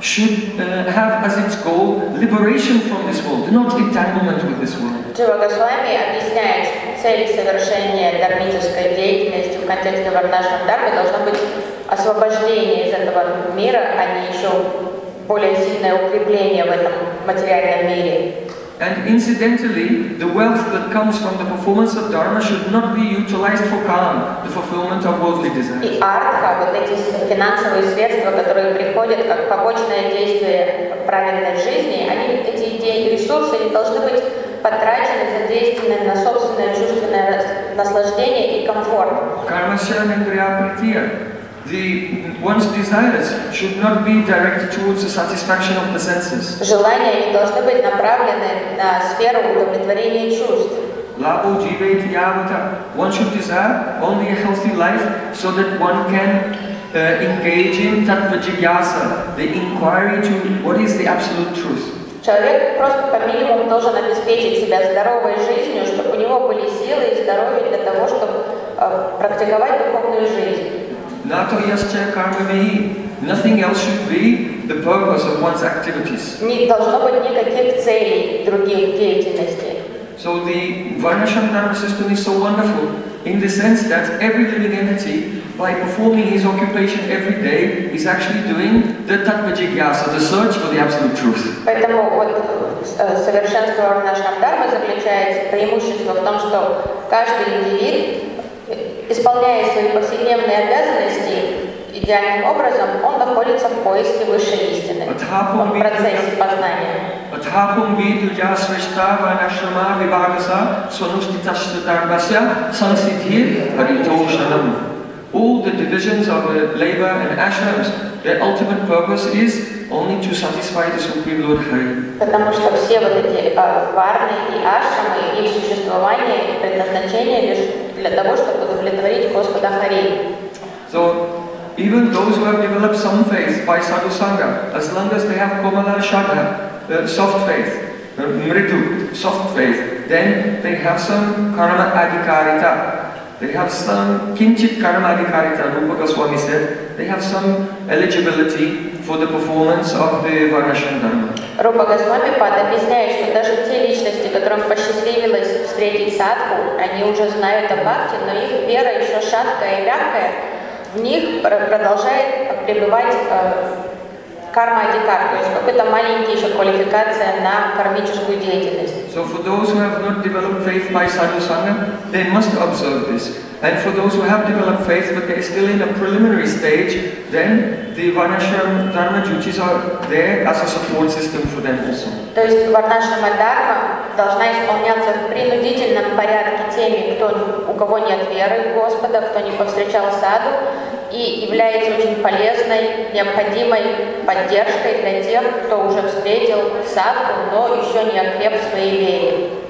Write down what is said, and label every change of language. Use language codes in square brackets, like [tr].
[en] should have as its goal liberation from this world, not entanglement with this world. [ru] Джива Госвами объясняет, цель совершения дармической деятельности в контексте варнашрам дармы должно быть освобождение из этого мира, а не еще более сильное укрепление в этом материальном мире. [en] And incidentally, the wealth that comes from the performance of dharma should not be utilized for kama, the fulfillment of worldly desires. [ru] И артха, вот эти финансовые средства, которые приходят как побочное действие праведной жизни, они эти деньги, ресурсы, они должны быть потрачены, задействованы на собственное чувственное наслаждение и комфорт. [sa] Karma śrāna kriyā pṛtiya. [en] The one's desires should not be directed towards the satisfaction of the senses. [ru] Желания не должны быть направлены на сферу удовлетворения чувств. [sa] Labho jīvēti yāvatā. [en] One should desire only a healthy life so that one can engage in tattva jigyāsa, the inquiry to what is the absolute truth. [ru] Человек просто по минимуму должен обеспечить себя здоровой жизнью, чтобы у него были силы и здоровье для того, чтобы практиковать духовную жизнь. [sa] Nato yascha karma vihi. [en] Nothing else should be the purpose of one's activities. [ru] Не должно быть никаких целей других деятельностей. [en] So the Varnashram Dharma system is so wonderful in the sense that every living entity, by performing his occupation every day, is actually doing the tattva jigyasa, the search for the absolute truth. [ru] Поэтому вот совершенство Varnashram Dharma заключается преимущество в том, что каждый индивид, исполняя свои повседневные обязанности идеальным образом, он находится в поиске высшей истины, в процессе познания. [sa] Atthapum vidujā sviṣṭhā vānaśrama vibhāgasā sanuṣṭhitaśya dharmasya sansiddhir haritoṣanam. [en] All the divisions of labor and ashrams, their ultimate purpose is only to satisfy the Supreme Lord Hari. [ru] Потому что все вот эти варны и ашрамы, их существование, предназначение лишь для того, чтобы удовлетворить Господа Хари. [en] So, even those who have developed some faith by sadhu sangha, as long as they have komala shraddha, soft faith, mṛtu, soft faith, then they have some karma adhikārita. They have some kinchit karma adhikārita, Rupa Goswami said. They have some eligibility for the performance of the Varnashram Dharma. [ru] Rupa Goswami Pada объясняет, что даже те личности, которым посчастливилось встретить садху, они уже знают о бхакти, но их вера еще шаткая и мягкая, в них продолжает пребывать карма адикар, то есть какая-то маленькая еще квалификация на кармическую деятельность. [en] So for those who have not developed faith by sadhu sangha, they must observe this. And for those who have developed faith, but they're still in a preliminary stage, then the Varnashram Dharma duties are there as a support system for them also. [ru] То есть Varnashrama Dharma должна исполняться в принудительном порядке теми, кто, у кого нет веры в Господа, кто не повстречал саду, и является очень полезной, необходимой поддержкой для тех, кто уже встретил садху, но еще не окреп в своей вере.